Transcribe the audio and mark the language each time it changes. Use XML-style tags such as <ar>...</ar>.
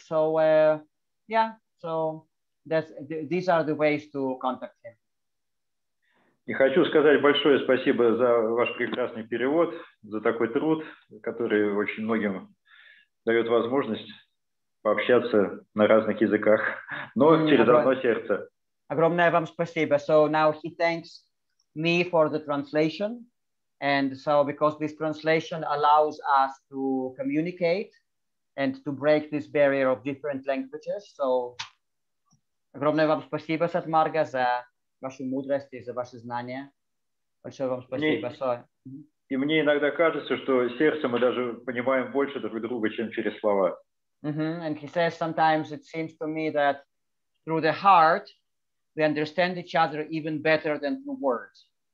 <en>So, yeah, so these are the ways to contact him.</en> <ru>И хочу сказать большое спасибо за ваш прекрасный перевод, за такой труд, который очень многим дает возможность пообщаться на разных языках, но через одно сердце. Огромное вам спасибо.</ru> <en>So now he thanks me for the translation. And so because this translation allows us to communicate and to break this barrier of different languages.</en> <ru>So, огромное вам спасибо, Сатмарга, за вашу мудрость и за ваши знания. Большое вам спасибо. И мне иногда кажется, что сердце мы даже понимаем больше друг друга, чем через слова. Mm-hmm.</ru> <en>And he says sometimes it seems to me that through the heart we understand each other even better than through words.</en>